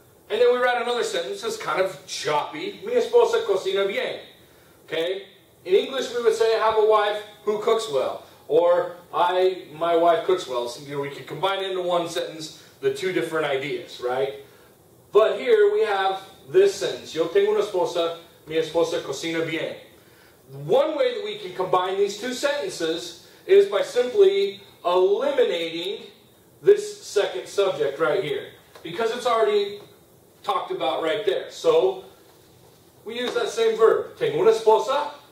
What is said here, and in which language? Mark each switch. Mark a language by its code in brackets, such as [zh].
[en] And then we write another sentence that's kind of choppy. [es] Mi esposa cocina bien. [en] Okay? In English, we would say, I have a wife who cooks well. Or, my wife cooks well. So, you know, we could combine into one sentence the two different ideas, right? But here we have this sentence. [es] Yo tengo una esposa, mi esposa cocina bien. [en] One way that we can combine these two sentences is by simply eliminating this second subject right here. Because it's already talked about right there. So, we use that same verb. [es] Tengo una esposa.